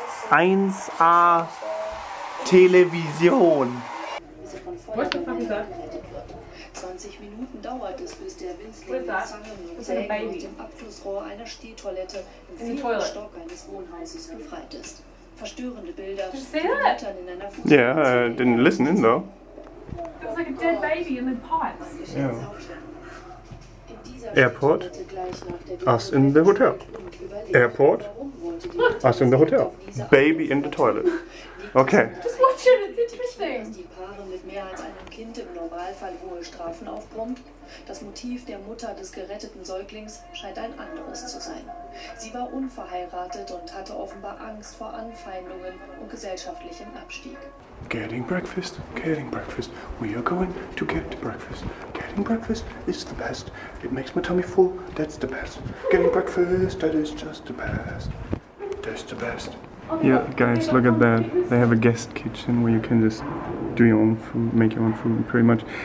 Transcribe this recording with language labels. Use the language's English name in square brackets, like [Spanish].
[German] 1A Television. Was ist das? 20 Minuten dauert es, bis der Winzling mit Zangen und mit dem Abflussrohr einer Stehtoilette im vierten Stock eines Wohnhauses befreit ist. Verstörende Bilder, die Eltern in einer Fußgängerzone. [English] Yeah, didn't listen in though. It looks like a dead baby in the pipes. Yeah. Airport. Us in the hotel. Airport. Us in the hotel. Baby in the toilet. Okay. Just watch it, it's interesting. [German] Kind im Normalfall hohe Strafen aufbrummt, das Motiv der Mutter des geretteten Säuglings scheint ein anderes zu sein. Sie war unverheiratet und hatte offenbar Angst vor Anfeindungen und gesellschaftlichem Abstieg. [English] Getting breakfast, we are going to get breakfast. Getting breakfast is the best, it makes my tummy full, that's the best. Getting breakfast, that is just the best, that's the best. Yeah, guys, look at that. They have a guest kitchen where you can just do your own food, make your own food, pretty much.